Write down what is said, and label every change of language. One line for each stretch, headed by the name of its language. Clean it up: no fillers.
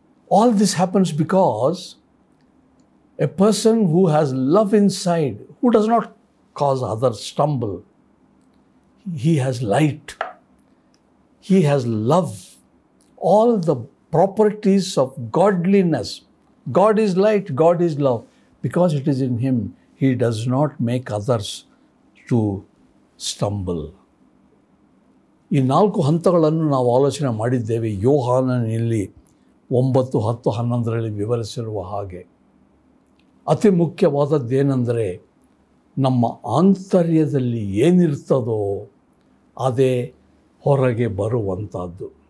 English: All this happens because a person who has love inside who does not cause other stumble. He has light, he has love, all the properties of godliness. God is light, God is love. Because it is in him, he does not make others to stumble.
Kannada: ಈ ನಾಲ್ಕು ಹಂತಗಳನ್ನು ನಾವು ಆಲೋಚನೆ ಮಾಡಿದ್ದೇವೆ ಯೋಹಾನನಲ್ಲಿ 9, 10, 11 ವಿವರಿಸಿರುವ ಹಾಗೆ. ಅತಿ ಮುಖ್ಯವಾದದ್ದೇನೆಂದರೆ ನಮ್ಮ ಆಂತರ್ಯದಲ್ಲಿ ಏನಿರ್ತದೋ ಅದೇ ಹೊರಗೆ ಬರುವಂಥದ್ದು.